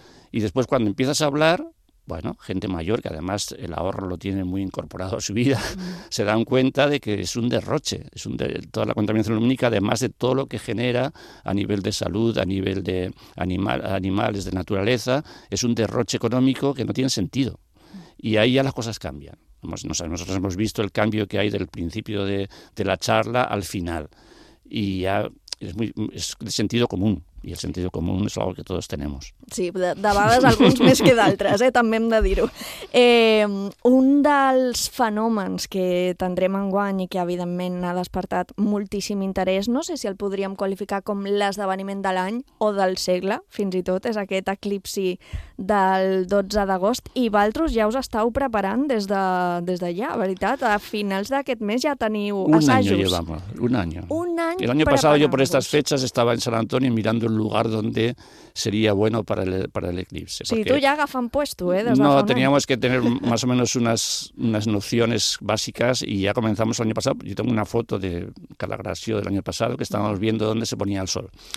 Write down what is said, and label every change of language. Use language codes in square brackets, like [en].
[es] Y después cuando empiezas a hablar, bueno, gente mayor que además el ahorro lo tiene muy incorporado a su vida, se dan cuenta de que es un derroche, toda la contaminación lumínica, además de todo lo que genera a nivel de salud, a nivel de animales, de naturaleza, es un derroche económico que no tiene sentido. Y ahí ya las cosas cambian. Nosotros hemos visto el cambio que hay del principio de la charla al final. Y ya es de sentido común, y el sentido común es algo que todos tenemos. [ca] Sí, de vegades alguns més que d'altres, també hem de dir-ho. Un dels fenòmens que tindrem enguany i que evidentment ha despertat moltíssim interès, no sé si el podríem qualificar com l'esdeveniment de l'any o del segle, fins i tot, és aquest eclipsi del 12 d'agost, i vosaltres ja us estàu preparant des d'allà, veritat, a finals d'aquest mes ja teniu un assajos. [es] Año llevamos, un año. [ca] Un any. [es] El año pasado yo por estas fechas estaba en San Antonio mirando el lugar donde sería bueno para el eclipse. Sí, tú ya agafan puesto, ¿eh? No, teníamos que tener más o menos unas nociones básicas y ya comenzamos el año pasado. Yo tengo una foto de Calagrasio del año pasado que estábamos viendo dónde se ponía el sol.